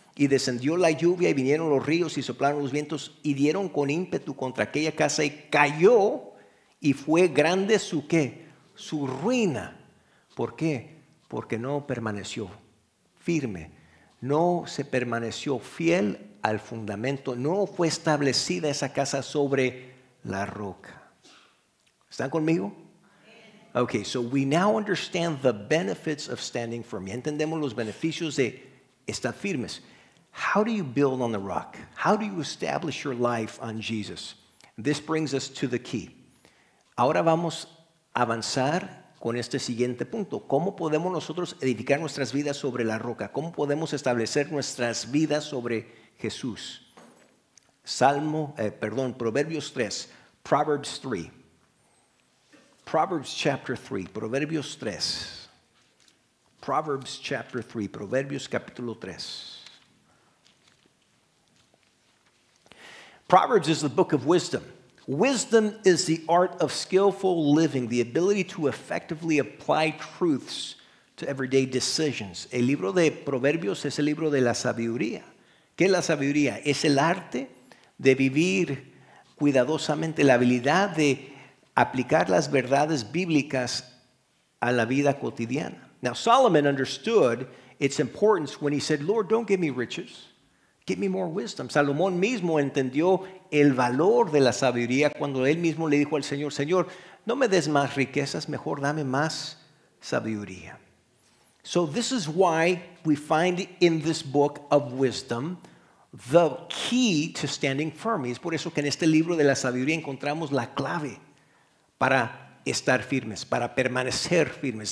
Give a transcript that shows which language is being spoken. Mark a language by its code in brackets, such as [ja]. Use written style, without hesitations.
[es] Y descendió la lluvia y vinieron los ríos y soplaron los vientos y dieron con ímpetu contra aquella casa y cayó y fue grande su ¿qué? Su ruina. ¿Por qué? Porque no permaneció firme. No se permaneció fiel al fundamento. No fue establecida esa casa sobre la roca. ¿Están conmigo? [en] Okay, so we now understand the benefits of standing firm. [es] Ya entendemos los beneficios de estar firmes. [en] How do you build on the rock? How do you establish your life on Jesus? This brings us to the key. [es] Ahora vamos a avanzar con este siguiente punto. ¿Cómo podemos nosotros edificar nuestras vidas sobre la roca? ¿Cómo podemos establecer nuestras vidas sobre Jesús? Proverbios 3. Proverbs 3. [en] Proverbs chapter 3. Proverbios 3. Proverbs chapter 3. [es] Proverbios capítulo 3. [en] Proverbs is the book of wisdom. Wisdom is the art of skillful living, the ability to effectively apply truths to everyday decisions. [es] El libro de Proverbios es el libro de la sabiduría. ¿Qué es la sabiduría? Es el arte de vivir cuidadosamente, la habilidad de aplicar las verdades bíblicas a la vida cotidiana. [en] Now, Solomon understood its importance when he said, Lord, don't give me riches. Give me more wisdom. [es] Salomón mismo entendió el valor de la sabiduría cuando él mismo le dijo al Señor, Señor, no me des más riquezas, mejor dame más sabiduría. [en] So this is why we find in this book of wisdom the key to standing firm. [es] Y es por eso que en este libro de la sabiduría encontramos la clave para estar firmes, para permanecer firmes.